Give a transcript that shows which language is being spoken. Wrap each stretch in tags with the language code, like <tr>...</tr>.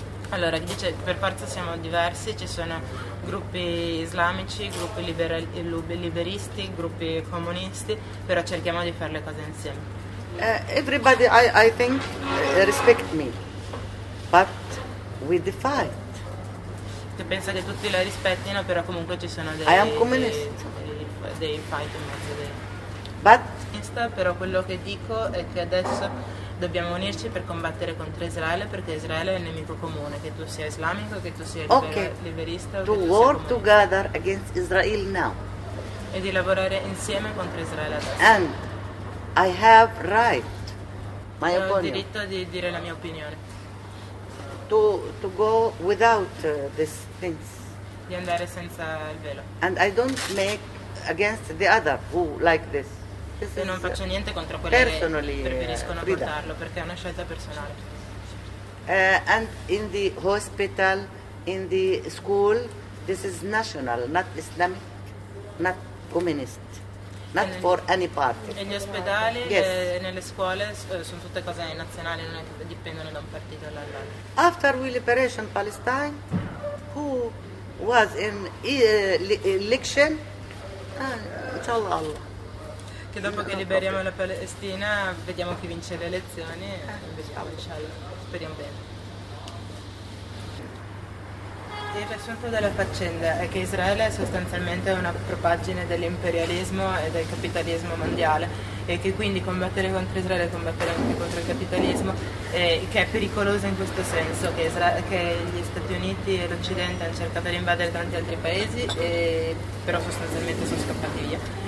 <it>Allora, dice, per forza siamo diversi, ci sono gruppi islamici, gruppi liberisti, gruppi comunisti, però cerchiamo di fare le cose insieme.</it> <en>Everybody, I think, respect me, but we defy.</en> <it>Che pensa che tutti la rispettino, però comunque ci sono</it> <en>I am communist.</en> <it>Dei fight in mezzo dei.</it> <en>But.</en> <it>Però quello che dico è che adesso dobbiamo unirci per combattere contro Israele, perché Israele è il nemico comune, che tu sia islamico, che tu sia liberista.</it> <en>To work together against Israel now.</en> <it>E di lavorare insieme contro Israele adesso.</it> <en>And I have right, my opinion.</en> <it>Ho il diritto di dire la mia opinione.</it> <en>To go without these things.</en> <it>Di andare senza il velo.</it> <en>And I don't make against the other who like this.</en> <it>E non faccio niente contro quelli che preferiscono portarlo, perché è una scelta personale.</it> <en>And in the hospital, in the school, this is national, not Islamic, not communist, not for any party.</en> <it>E gli ospedali yes. E nelle scuole sono tutte cose nazionali, non è che dipendono da un partito all'altro.</it> <en>After we liberation Palestine, who was in election?</en> <ar>Inshallah Allah.</ar> <it>Che dopo che liberiamo la Palestina, vediamo chi vince le elezioni e vediamo, inshallah. Speriamo bene. Il riassunto della faccenda è che Israele è sostanzialmente una propaggine dell'imperialismo e del capitalismo mondiale e che quindi combattere contro Israele è combattere anche contro il capitalismo, e che è pericoloso in questo senso, che, Israele, che gli Stati Uniti e l'Occidente hanno cercato di invadere tanti altri paesi e però sostanzialmente sono scappati via.</it>